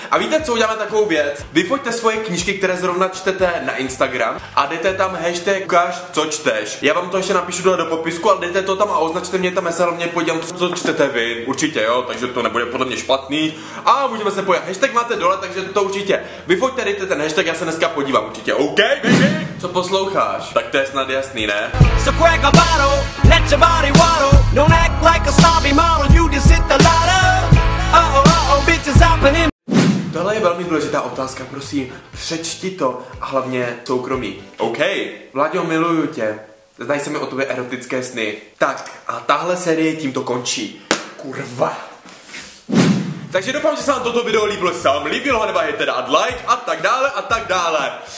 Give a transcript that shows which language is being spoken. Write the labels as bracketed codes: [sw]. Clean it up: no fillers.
[cs] A víte, co uděláme takovou věc? Vyfoťte svoje knížky, které zrovna čtete na Instagram a dejte tam hashtag ukáž, co čteš. Já vám to ještě napíšu dole do popisku, ale dejte to tam a označte mě tam, já se hlavně podívám, co čtete vy. Určitě jo, takže to nebude podle mě špatný. A můžeme se podívat. Hashtag máte dole, takže to určitě. Vyfoťte, dejte ten hashtag, já se dneska podívám určitě. OK, baby? Co posloucháš? Tak to je snad jasný, ne? [en] So crack a bottle, let your body waddle. Don't act like a snobby model, you just hit the ladder. Uh-oh, bitches hopping in. [cs] Tohle je velmi důležitá otázka, prosím, přečti to a hlavně soukromí. OK. Vláďo, miluju tě. Znají se mi o tobě erotické sny. Tak, a tahle série tímto končí. Kurva. Takže doufám, že se vám toto video líbilo, jestli se vám líbilo, nebo je teda dát like a tak dále a tak dále.